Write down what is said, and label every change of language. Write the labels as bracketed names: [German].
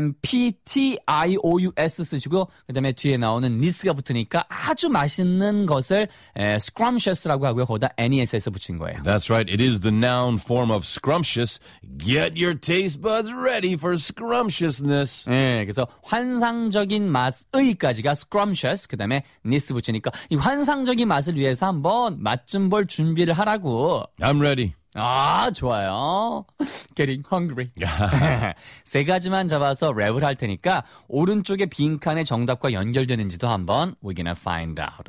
[Korean] S-C-R-U-M-P-T-I-O-U-S 쓰시고 그 다음에 뒤에 나오는 니스가 붙으니까 아주 맛있는 것을 scrumptious라고 하고요. 거기다 N-E-S-S 붙인 거예요. [English] That's right. It is the noun form of scrumptious. Get your taste buds ready for scrumptiousness. [Korean] 네, 그래서 환상적인 맛의까지가 scrumptious. 그 다음에 니스 붙이니까 이 환상적인 맛을 위해서 한번 맛 좀 볼 준비를 하라고. [English] I'm ready. [Korean] 좋아요. [English] Getting hungry. [Korean] 세 가지만 잡아서 랩을 할 테니까 오른쪽에 빈칸에 정답과 연결되는지도 한번 [English] we're gonna find out.